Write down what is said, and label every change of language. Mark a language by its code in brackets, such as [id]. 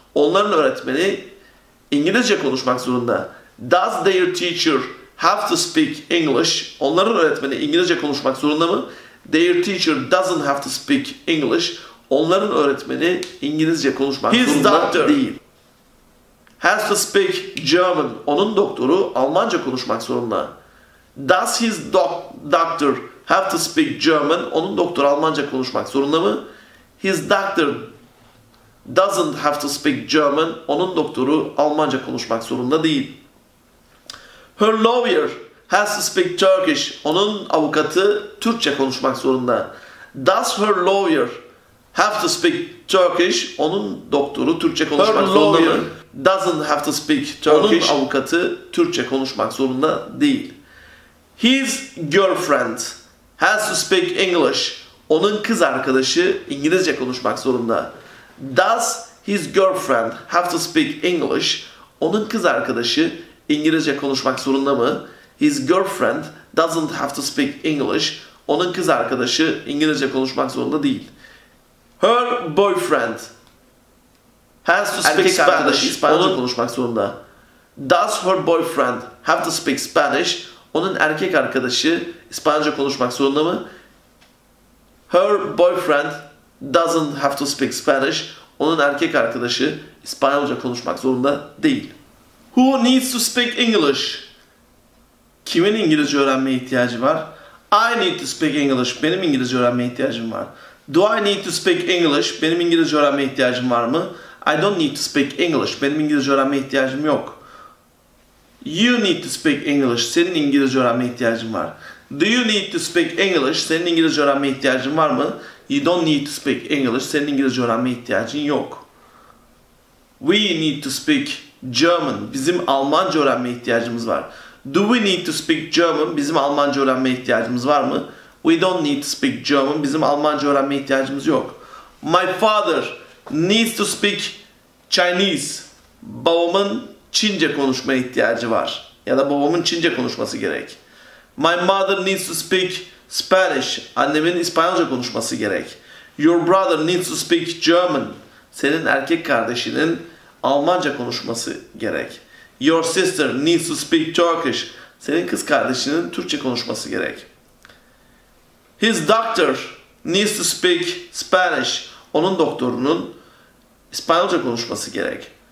[tr] Onların öğretmeni İngilizce konuşmak zorunda. [en] Does their teacher have to speak English? [tr] Onların öğretmeni İngilizce konuşmak zorunda mı? [en] Their teacher doesn't have to speak English. [tr] Onların öğretmeni İngilizce konuşmak zorunda değil. [en] Has to speak German. [tr] Onun doktoru Almanca konuşmak zorunda. [en] Does his doctor have to speak German? [tr] Onun doktoru Almanca konuşmak zorunda mı? [en] His doctor doesn't have to speak German. [tr] Onun doktoru Almanca konuşmak zorunda değil. [en] Her lawyer has to speak Turkish. [tr] Onun avukatı Türkçe konuşmak zorunda. [en] Does her lawyer have to speak Turkish? [tr] Onun doktoru Türkçe konuşmak zorunda mı? [en] Doesn't have to speak Turkish. [tr] Onun avukatı Türkçe konuşmak zorunda değil. [en] His girlfriend has to speak English. [tr] Onun kız arkadaşı İngilizce konuşmak zorunda. [en] Does his girlfriend have to speak English? [tr] Onun kız arkadaşı İngilizce konuşmak zorunda mı? [en] His girlfriend doesn't have to speak English. [tr] Onun kız arkadaşı İngilizce konuşmak zorunda değil. [en] Her boyfriend has to speak Spanish. [tr] Erkek arkadaşı İspanyolca konuşmak zorunda. [en] Does her boyfriend have to speak Spanish? [tr] Onun erkek arkadaşı İspanyolca konuşmak zorunda mı? [en] Her boyfriend doesn't have to speak Spanish. [tr] Onun erkek arkadaşı İspanyolca konuşmak zorunda değil. [en] Who needs to speak English? [tr] Kimin İngilizce öğrenmeye ihtiyacı var? [en] I need to speak English. [tr] Benim İngilizce öğrenmeye ihtiyacım var. [en] Do I need to speak English? [tr] Benim İngilizce öğrenmeye ihtiyacım var mı? [en] I don't need to speak English. [tr] Benim İngilizce öğrenmeye ihtiyacım yok. [en] You need to speak English. [tr] Senin İngilizce öğrenmeye ihtiyacın var. [en] Do you need to speak English? [tr] Senin İngilizce öğrenmeye ihtiyacın var mı? [en] You don't need to speak English. [tr] Senin İngilizce öğrenmeye ihtiyacın yok. [en] We need to speak German. [tr] Bizim Almanca öğrenmeye ihtiyacımız var. [en] Do we need to speak German? [tr] Bizim Almanca öğrenmeye ihtiyacımız var mı? [en] We don't need to speak German. [tr] Bizim Almanca öğrenmeye ihtiyacımız yok. [en] My father needs to speak Chinese. [tr] Babamın Çince konuşmaya ihtiyacı var. Ya da babamın Çince konuşması gerek. [en] My mother needs to speak Spanish. [tr] Annemin İspanyolca konuşması gerek. [en] Your brother needs to speak German. [tr] Senin erkek kardeşinin Almanca konuşması gerek. [en] Your sister needs to speak Turkish. [tr] Senin kız kardeşinin Türkçe konuşması gerek. [en] His doctor needs to speak Spanish. [tr] Onun doktorunun İspanyolca konuşması gerek.